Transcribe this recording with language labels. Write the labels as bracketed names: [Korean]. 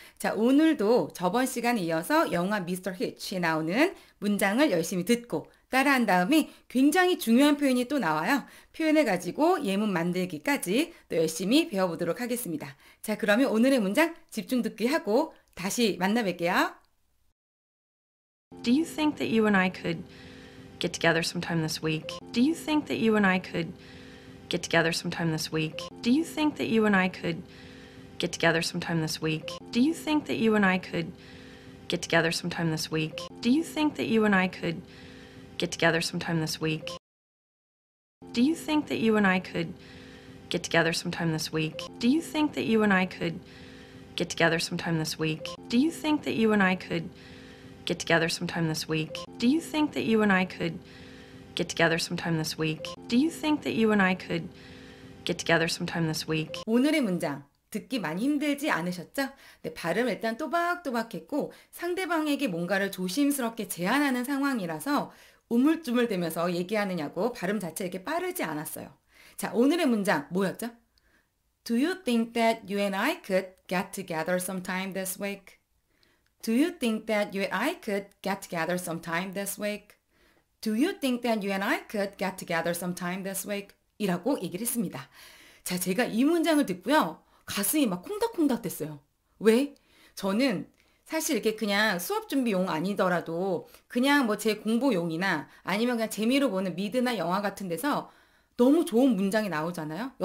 [Korean] 자, 오늘도 저번 시간에 이어서 영화 미스터 히치에 나오는 문장을 열심히 듣고 따라 한 다음에 굉장히 중요한 표현이 또 나와요. 표현을 가지고 예문 만들기까지 또 열심히 배워보도록 하겠습니다. 자, 그러면 오늘의 문장 집중 듣기 하고 다시 만나 뵐게요. [English] Do you think that you and I could get together sometime this week? Do you think that you and I could get together sometime this week? Do you think that you and I could get together sometime this week? Do you think that you and I could get together sometime this week? Do you think that you and I could get together sometime this week? Do you think that you and I could get together sometime this week? Do you think that you and I could get together sometime this week? Do you think that you and I could get together sometime this week? Do you think that you and I could get together sometime this week? Do you think that you and I could get together sometime this week? [Korean] 오늘의 문장 듣기 많이 힘들지 않으셨죠? 네, 발음 일단 또박또박했고 상대방에게 뭔가를 조심스럽게 제안하는 상황이라서 우물쭈물대면서 얘기하느냐고 발음 자체 이렇게 빠르지 않았어요. 자, 오늘의 문장 뭐였죠? [English] Do you think that you and I could get together sometime this week? Do you think that you and I could get together sometime this week? Do you think that you and I could get together sometime this week? [Korean] 이라고 얘기를 했습니다. 자, 제가 이 문장을 듣고요. 가슴이 막 콩닥콩닥 됐어요. 왜? 저는 사실 이렇게 그냥 수업 준비용 아니더라도 그냥 뭐제 공부용이나 아니면 그냥 재미로 보는 미드나 영화 같은 데서 너무 좋은 문장이 나오잖아요.